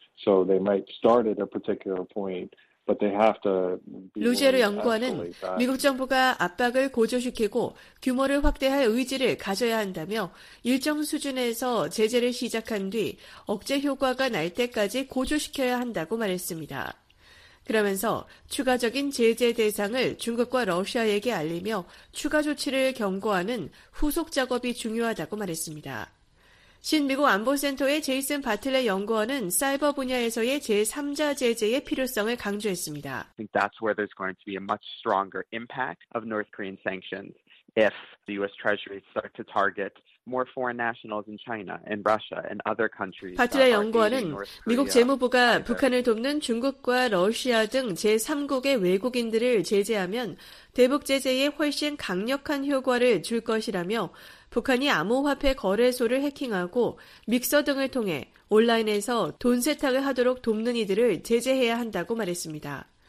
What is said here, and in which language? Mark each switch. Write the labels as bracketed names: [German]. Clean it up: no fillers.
[English] So they might start at a particular point, but they have to. [Korean] 루제르 연구원은 미국 정부가 압박을 고조시키고 규모를 확대할 의지를 가져야 한다며 일정 수준에서 제재를 시작한 뒤 억제 효과가 날 때까지 고조시켜야 한다고 말했습니다. 그러면서 추가적인 제재 대상을 중국과 러시아에게 알리며 추가 조치를 경고하는 후속 작업이 중요하다고 말했습니다. 신미국 안보센터의 제이슨 바틀레 연구원은 사이버 분야에서의 제3자 제재의 필요성을 강조했습니다. [English] I think that's where there's going to be a much stronger impact of North Korean sanctions if the U.S. Treasury starts to target more foreign nationals in China and Russia and other countries. [Korean] 바틀레 연구원은 미국 재무부가 북한을 돕는 중국과 러시아 등 제3국의 외국인들을 제재하면 대북 제재에 훨씬 강력한 효과를 줄 것이라며 북한이 암호화폐 거래소를 해킹하고 믹서 등을 통해 온라인에서 돈 세탁을 하도록 돕는 이들을 제재해야 한다고 말했습니다.